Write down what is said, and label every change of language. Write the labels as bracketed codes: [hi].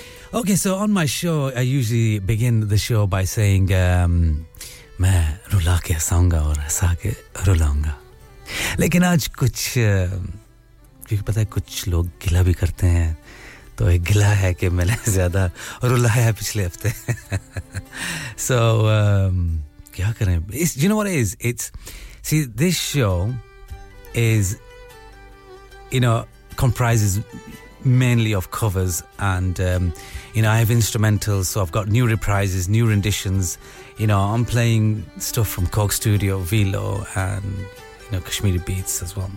[en] Okay, so on my show, I usually begin the show by saying, [hi] "Main rula ke saunga aur hasa ke rulaunga." लेकिन आज कुछ क्योंकि पता है कुछ लोग गिला भी करते हैं तो एक गिला है कि मैंने ज़्यादा रुलाया पिछले हफ्ते. [en] So [hi] क्या करें? [en] It's, you know what it is? It's, see, this show is, you know, comprises mainly of covers, and you know, I have instrumentals, so I've got new reprises, new renditions. You know, I'm playing stuff from Coke Studio, Velo, and you know, Kashmiri beats as well.